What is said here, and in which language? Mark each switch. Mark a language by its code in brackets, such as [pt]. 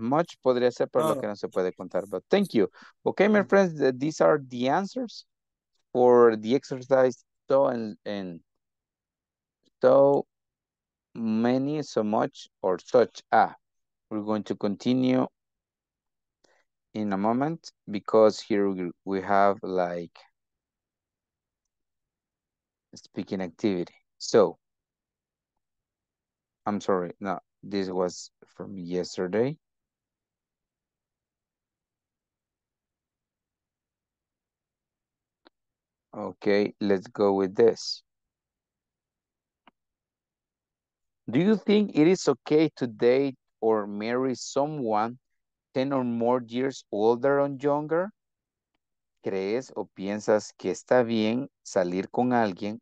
[es] Much podría ser por lo que no se puede contar. [en] But thank you. Okay, my friends, these are the answers for the exercise. So many, so much, or such. Ah, we're going to continue in a moment because here we have like speaking activity. So, I'm sorry. No. This was from yesterday. Okay, let's go with this. Do you think it is okay to date or marry someone 10 or more years older or younger? [es] ¿Crees o piensas que está bien salir con alguien?